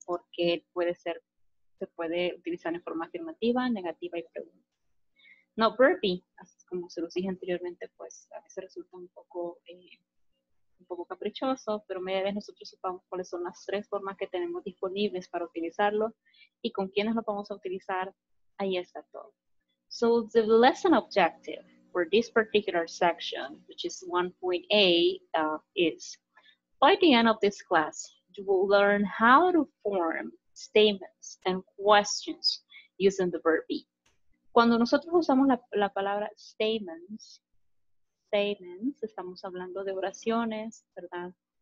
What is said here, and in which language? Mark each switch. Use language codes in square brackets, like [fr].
[es] Porque puede ser, se puede utilizar en forma afirmativa, negativa y pregunta. No, verb be, como se los dije anteriormente, pues, a veces resulta un poco caprichoso, pero media vez nosotros sepamos cuáles son las tres formas que tenemos disponibles para utilizarlo y con quiénes lo vamos a utilizar. Ahí está todo. [en] So the lesson objective for this particular section, which is 1.8, is by the end of this class, you will learn how to form statements and questions using the verb be. [es] Cuando nosotros usamos la palabra statements, estamos hablando de oraciones, ¿verdad?